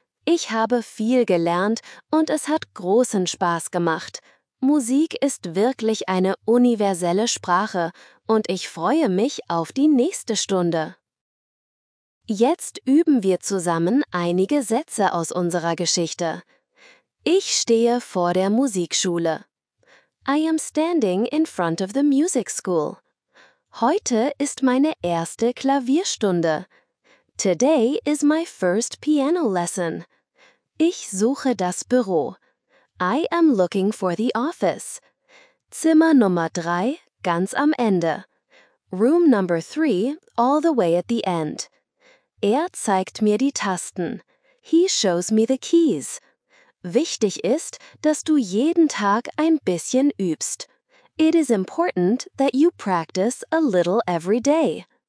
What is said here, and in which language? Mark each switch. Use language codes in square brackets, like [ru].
[de] Ich habe viel gelernt und es hat großen Spaß gemacht. Musik ist wirklich eine universelle Sprache und ich freue mich auf die nächste Stunde. Jetzt üben wir zusammen einige Sätze aus unserer Geschichte. Ich stehe vor der Musikschule. [en] I am standing in front of the music school. [de] Heute ist meine erste Klavierstunde. [en] Today is my first piano lesson. [de] Ich suche das Büro. [en] I am looking for the office. [de] Zimmer Nummer 3, ganz am Ende. [en] Room number 3, all the way at the end. [de] Er zeigt mir die Tasten. [en] He shows me the keys. [de] Wichtig ist, dass du jeden Tag ein bisschen übst. [en] It is important that you practice a little every day.